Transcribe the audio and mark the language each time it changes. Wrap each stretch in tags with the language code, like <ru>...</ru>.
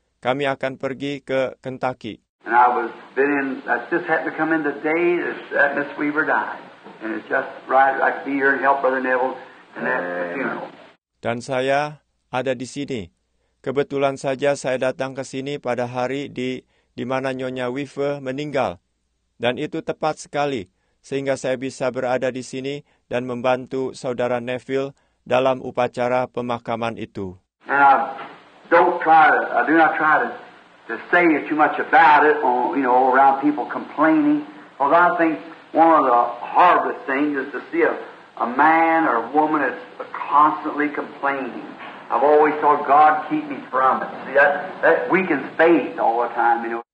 <id>Kami akan pergi ke Kentucky.</id> <en>And I was just had to come in the day that Miss Weaver died, and it's just right I could be here and help Brother Neville in that funeral.</en> <id>Dan saya ada di sini. Kebetulan saja saya datang ke sini pada hari di mana Nyonya Weaver meninggal, dan itu tepat sekali. Sehingga saya bisa berada di sini dan membantu saudara Neville dalam upacara pemakaman itu.</id> <en>And I do not try to say too much about it, or, you know, around people complaining. Because I think one of the hardest things is to see a man or a woman that's constantly complaining. I've always thought God keep me from it. See, that weakens faith all the time, you know.</en>